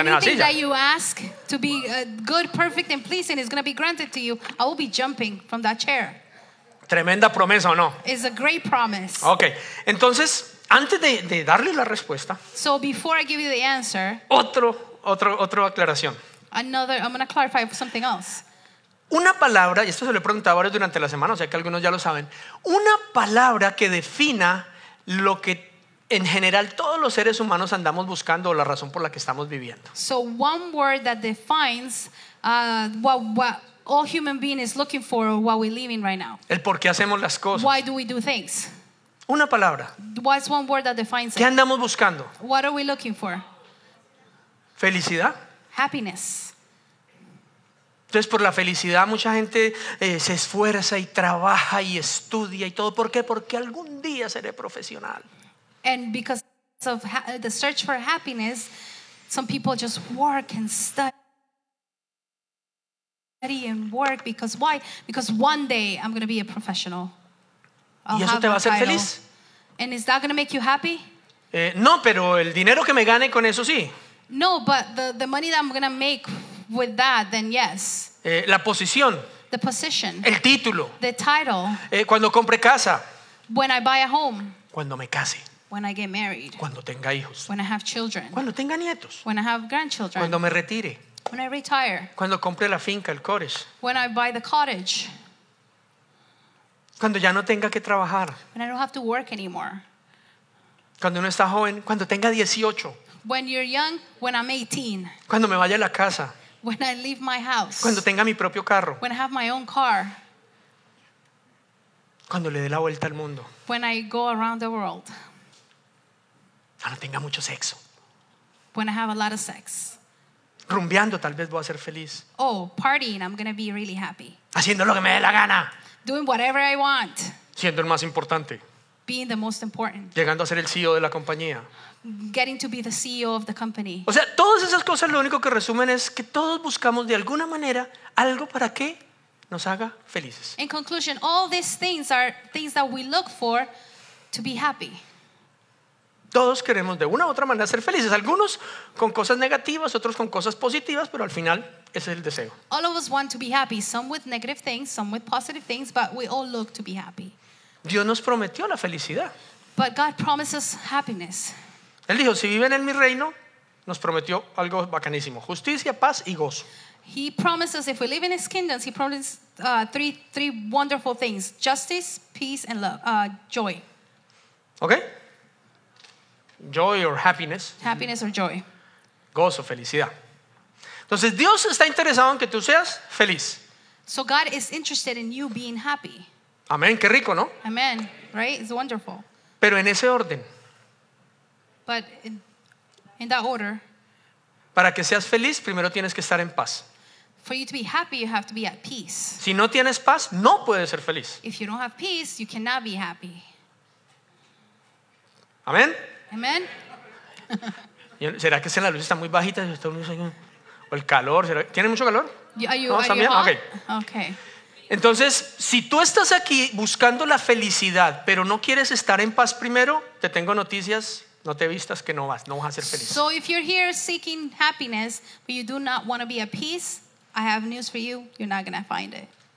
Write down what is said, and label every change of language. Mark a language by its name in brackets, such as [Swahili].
[English] anything [Spanish] en la silla. [English] Anything that you ask to be good, perfect, and pleasing is going to be granted to you. I will be jumping from that chair. [Spanish] Tremenda promesa, ¿o no? [English] It's a great promise. [Spanish] Okay, entonces, antes de darle la respuesta, [English] so before I give you the answer, [Spanish] otra aclaración. [English] Another, I'm going to clarify something else. [Spanish] Una palabra, y esto se lo he preguntado varios durante la semana, o sea que algunos ya lo saben, una palabra que defina lo que en general todos los seres humanos andamos buscando o la razón por la que estamos viviendo. [English] So one word that defines what all human being is looking for while we're living right now. [Spanish] El por qué hacemos las cosas. [English] Why do we do things? [Spanish] Una palabra. [English] What's one word that defines it? [Spanish] ¿Qué andamos buscando? [English] What are we looking for? [Spanish] Felicidad. [English] Happiness. [Spanish] Entonces por la felicidad mucha gente se esfuerza y trabaja y estudia y todo. ¿Por qué? Porque algún día seré profesional. [English] And because of the search for happiness, some people just work and study. And work because why? Because one day I'm going to be a professional. [Spanish] ¿Y eso te va a hacer feliz? [English] And is that going to make you happy? [Spanish] No, pero el dinero que me gane con eso sí. [English] No, but the money that I'm going to make with that, then yes. [Spanish] La posición. [English] The position. [Spanish] El título. [English] The title. [Spanish] Cuando compre casa. [English] When I buy a home. [Spanish] Cuando me case. [English] When I get married. [Spanish] Cuando tenga hijos. [English] When I have children. [Spanish] Cuando tenga nietos. [English] When I have grandchildren. [Spanish] Cuando me retire. [English] When I retire. [Spanish] Cuando compre la finca, el cottage. [English] When I buy the cottage. [Spanish] Cuando ya no tenga que trabajar. [English] When I don't have to work anymore. [Spanish] Cuando uno está joven, cuando tenga 18. [English] When you're young, when I'm 18. [Spanish] Cuando me vaya a la casa. [English] When I leave my house. [Spanish] Cuando tenga mi propio carro. [English] When I have my own car. [Spanish] Cuando le dé la vuelta al mundo. [English] When I go around the world. [Spanish] Cuando tenga mucho sexo. [English] When I have a lot of sex. [Spanish] Rumbeando, tal vez voy a ser feliz. [English] Oh, partying, I'm gonna be really happy. [Spanish] Haciendo lo que me dé la gana. [English] Doing whatever I want. [Spanish] Siendo el más importante. [English] Being the most important. [Spanish] Llegando a ser el CEO de la compañía. [English] Getting to be the CEO of the company. [Spanish] O sea, todas esas cosas lo único que resumen es que todos buscamos de alguna manera algo para que nos haga felices. [English] In conclusion, all these things are things that we look for to be happy. [Spanish] Todos queremos de una u otra manera ser felices. Algunos con cosas negativas, otros con cosas positivas, pero al final ese es el deseo. [English] All of us want to be happy. Some with negative things, some with positive things, but we all look to be happy. [Spanish] Dios nos prometió la felicidad. [English] But God promises happiness. [Spanish] Él dijo, si viven en mi reino, nos prometió algo bacanísimo: justicia, paz y gozo. [English] He promises if we live in his kingdoms, he promises three wonderful things: justice, peace and love, joy. ¿Okay? joy or happiness. Happiness or joy. [Spanish] Gozo, felicidad. Entonces Dios está interesado en que tú seas feliz. [English] So God is interested in you being happy. [Spanish] Amén, qué rico, ¿no? [English] Amen, right? It's wonderful. [Spanish] Pero en ese orden. [English] But in that order. [Spanish] Para que seas feliz, primero tienes que estar en paz. [English] For you to be happy, you have to be at peace. [Spanish] Si no tienes paz, no puedes ser feliz. [English] If you don't have peace, you cannot be happy. [Spanish] Amén. [English] Amen. [Spanish] ¿Será que la luz está muy bajita? ¿O el calor? ¿Tiene mucho calor? [English] Are you hot? Okay. Okay. [Spanish] Entonces, si tú estás aquí buscando la felicidad, pero no quieres estar en paz primero, te tengo noticias. No te vistas que no vas a ser feliz. [English] So if you're here seeking happiness, but you do not want to be at peace, I have news for you. You're not going to find it.